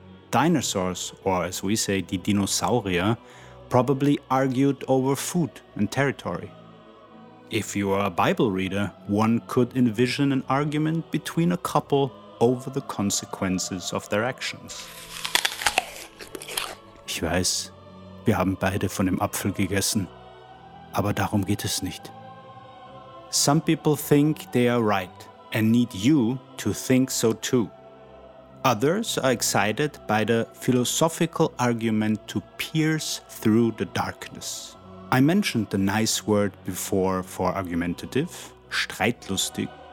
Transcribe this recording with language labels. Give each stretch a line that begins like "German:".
English: Dinosaurs, or as we say,
German: die Dinosaurier,
English: probably argued over food and territory. If you are a Bible reader, one could envision an argument between a couple over the consequences of their actions.
German: Ich weiß, wir haben beide von dem Apfel gegessen. Aber darum geht es nicht.
English: Some people think they are right and need you to think so too. Others are excited by the philosophical argument to pierce through the darkness. I mentioned the nice word before for argumentative, streitlustig.